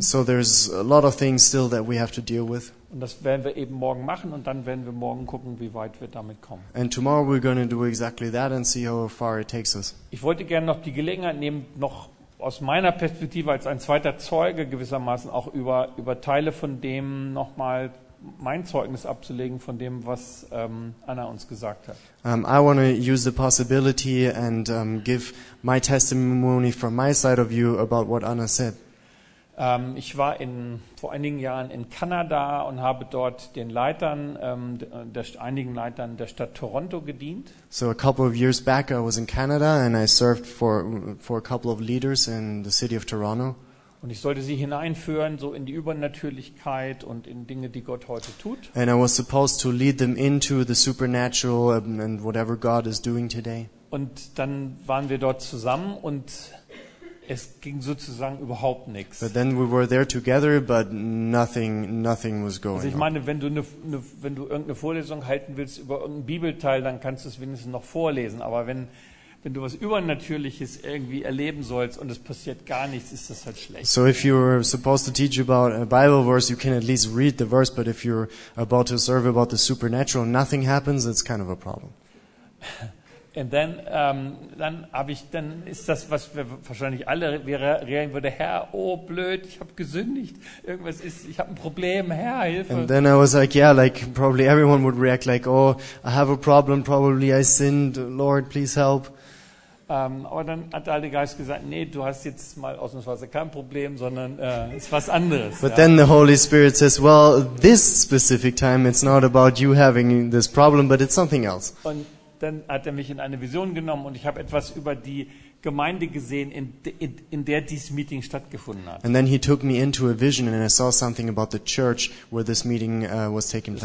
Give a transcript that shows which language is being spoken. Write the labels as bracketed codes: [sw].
[en] So there's a lot of things still that we have to deal with. [de] Und das werden wir eben morgen machen und dann werden wir morgen gucken, wie weit wir damit kommen. [en] And tomorrow we're going to do exactly that and see how far it takes us. [de] Ich wollte gerne noch die Gelegenheit nehmen, noch aus meiner Perspektive als ein zweiter Zeuge gewissermaßen auch über Teile von dem nochmal mein Zeugnis abzulegen von dem, was Anna uns gesagt hat. [en] I want to use the possibility and give my testimony from my side of you about what Anna said. [de] Ich war vor einigen Jahren in Kanada und habe dort den Leitern, einigen Leitern der Stadt Toronto gedient. [en] So a couple of years back I was in Canada and I served for a couple of leaders in the city of Toronto. [de] Und ich sollte sie hineinführen, so in die Übernatürlichkeit und in Dinge, die Gott heute tut. [en] And I was supposed to lead them into the supernatural and whatever God is doing today. [de] Und dann waren wir dort zusammen und es ging sozusagen überhaupt nichts. [en] But then we were there together, but nothing was going on. [de] Also ich meine, wenn du irgendeine Vorlesung halten willst über irgendein Bibelteil, dann kannst du es wenigstens noch vorlesen, aber wenn du was Übernatürliches irgendwie erleben sollst und es passiert gar nichts, ist das halt schlecht. [en] So if you're supposed to teach about a Bible verse, you can at least read the verse, but if you're about to serve about the supernatural and nothing happens, it's kind of a problem. And then [de] dann ist das, was wir wahrscheinlich alle reagieren würde, Herr, oh blöd, ich habe gesündigt. Irgendwas ist, ich habe ein Problem, Herr, Hilfe. [en] And then I was like, yeah, like probably everyone would react like, oh, I have a problem, probably I sinned, Lord, please help. [de] Aber dann hat der Heilige Geist gesagt, nee, du hast jetzt mal ausnahmsweise kein Problem, sondern es ist was anderes. [en] But then the Holy Spirit says, well, this specific time it's not about you having this problem, but it's something else. [de] Und dann hat er mich in eine Vision genommen und ich habe etwas über die Gemeinde gesehen, in der dieses Meeting stattgefunden hat. [en] And then he took me into a vision and I saw something about the church where this meeting was taking place.